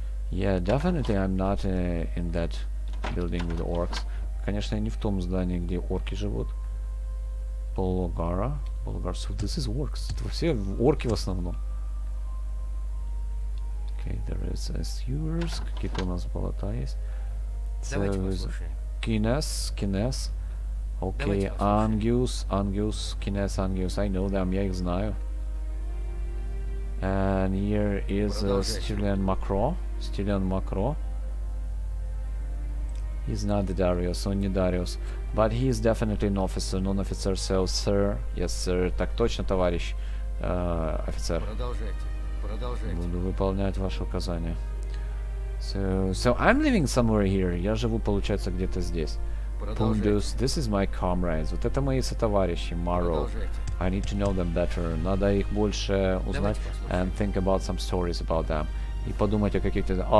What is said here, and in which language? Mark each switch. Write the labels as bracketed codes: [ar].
[en] Yeah, definitely I'm not in that building with orcs. [ru] Конечно, я не в том здании, где орки живут. Болгара. Болгара. [en] So this is orcs. [ru] Это все орки в основном. [en] Okay, there is a sewers. [ru] Какие-то у нас болота есть. So давайте послушаем. [en] Кинес. Кинес. Okay, Ангиус. Ангиус. Кинес, Ангиус. I know them. [ru] Я их знаю. [en] And here is Стерлен Макро. Стилен Макро. He's not the Darius, only Darius. But he is definitely an officer, non-officer, so sir. Yes, sir. [ru] Так точно, товарищ офицер. Продолжайте. Буду выполнять ваши указания. [en] So I'm living somewhere here. [ru] Я живу, получается, где-то здесь. [en] Pundus, this is my comrades. [ru] Вот это мои сотоварищи, [en] Morrow. I need to know them better. [ru] Надо их больше узнать [en] and think about some stories about them. [ru] И подумать о каких-то...